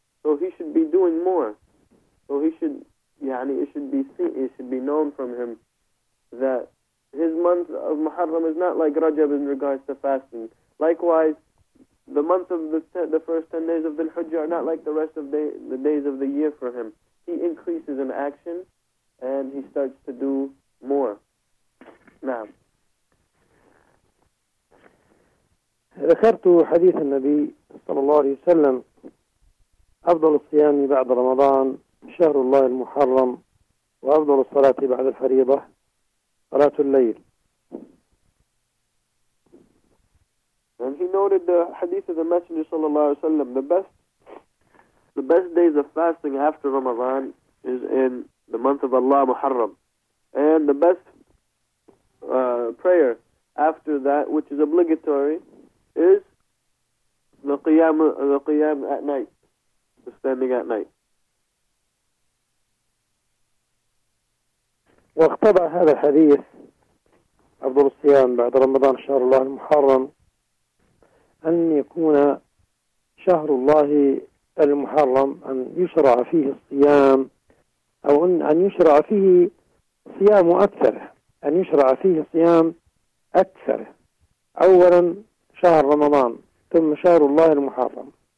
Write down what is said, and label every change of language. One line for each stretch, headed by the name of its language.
English: So he should be doing more. So he should, it should be known from him that his month of Muharram is not like Rajab in regards to fasting. Likewise, the month of the first 10 days of Dhul Hujjah are not like the rest of the days of the year for him. He increases in action and he starts to do more. Now.
Arabic: ذكرت حديث النبي صلى الله عليه وسلم أفضل الصيام بعد رمضان شهر الله المحرم وأفضل الصلاة بعد الفريضة صلاة الليل.
English: And he noted the hadith of the Messenger sallallahu alaihi wasallam, the best days of fasting after Ramadan is in the month of Allah Muharram, and the best prayer after that, which is obligatory, is the qiyam at night, the standing at night.
Arabic: واختبع هذا الحديث أفضل الصيام بعد رمضان شهر الله المحرم أن يكون شهر الله المحرم، أن يشرع فيه الصيام، أو أن يشرع فيه صيام أكثر، أن يشرع فيه صيام أكثر، أولا شهر رمضان ثم شهر الله المحرم.